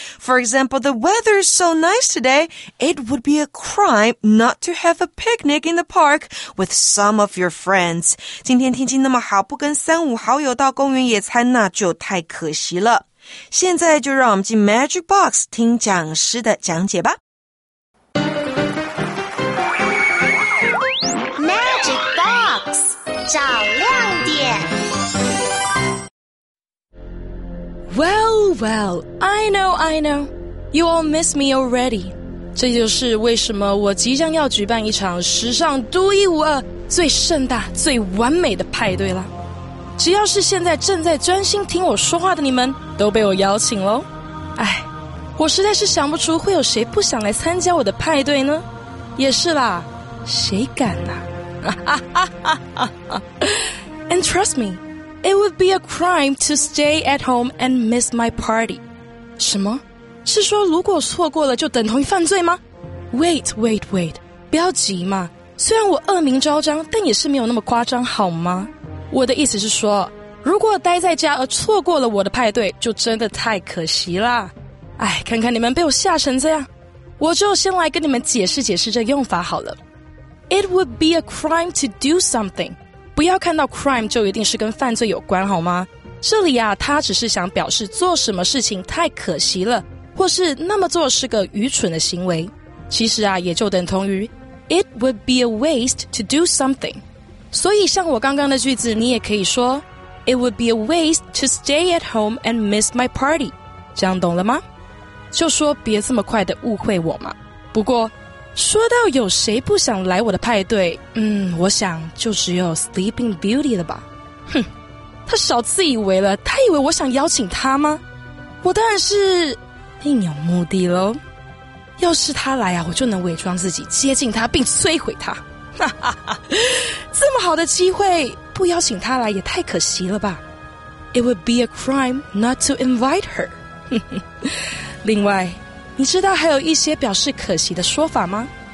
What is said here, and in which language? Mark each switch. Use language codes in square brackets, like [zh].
[en] For example, the weather is so nice today. It would be a crime not to have a picnic in the park with some of your friends. [zh] 今天天气那么好不跟三五好友到公园野餐，那就太可惜了。现在就让我们进 Magic Box 听讲师的讲解吧。 Magic Box 找亮点。 [en] Well, well, I know, you all miss me already. [zh] 这就是为什么我即将要举办一场史上独一无二、最盛大、最完美的派对了。只要是现在正在专心听我说话的你们都被我邀请咯。哎，我实在是想不出会有谁不想来参加我的派对呢。也是啦，谁敢啊。 [en] And trust me, it would be a crime to stay at home and miss my party. [zh] 什么？是说如果错过了就等同于犯罪吗？Wait, 不要急嘛，虽然我恶名昭彰，但也是没有那么夸张好吗？我的意思是说，如果待在家而错过了我的派对，就真的太可惜啦。哎，看看你们被我吓成这样，我就先来跟你们解释解释这用法好了。 [en] It would be a crime to do something. [zh] 不要看到 crime 就一定是跟犯罪有关好吗？这里啊，他只是想表示做什么事情太可惜了，或是那么做是个愚蠢的行为。其实啊，也就等同于 [en] It would be a waste to do something. [zh] 所以像我刚刚的句子你也可以说 [en] It would be a waste to stay at home and miss my party [zh] 这样懂了吗？就说别这么快的误会我嘛。不过说到有谁不想来我的派对，我想就只有 Sleeping Beauty 了吧。哼，他少自以为了，他以为我想邀请他吗？我当然是另有目的咯。要是他来啊，我就能伪装自己接近他并摧毁他。这么好的机会不邀请他来也太可惜了吧。 [en] It would be a crime not to invite her. [zh] 另外你知道还有一些表示可惜的说法吗？